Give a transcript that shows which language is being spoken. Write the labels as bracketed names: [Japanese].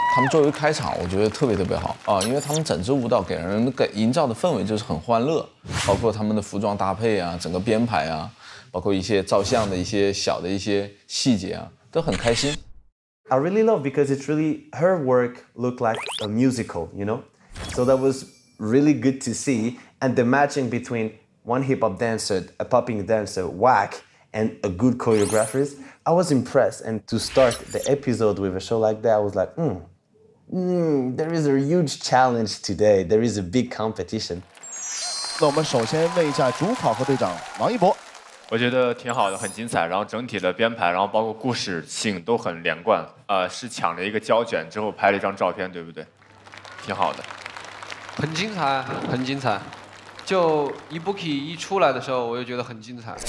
[Chinese] 作为开场，我觉得特别特别好啊，因为他们整支舞蹈给人给营造的氛围就是很欢乐，包括他们的服装搭配啊，整个编排啊，包括一些照相的一些小的一些细节啊，都很开心。 [English] I really love because it's really her work look like a musical, you know, so that was really good to see. And the matching between one hip hop dancer, a popping dancer, whack, and a good choreographer, I was impressed. And to start the episode with a show like that, I was like, there is a huge challenge today. There is a big competition. [Chinese] 那我们首先问一下主考和队长王一博。我觉得挺好的，很精彩。然后整体的编排，然后包括故事性都很连贯。是抢了一个胶卷之后拍了一张照片，对不对？挺好的。很精彩，很精彩。就一 bookie 一出来的时候，我就觉得很精彩。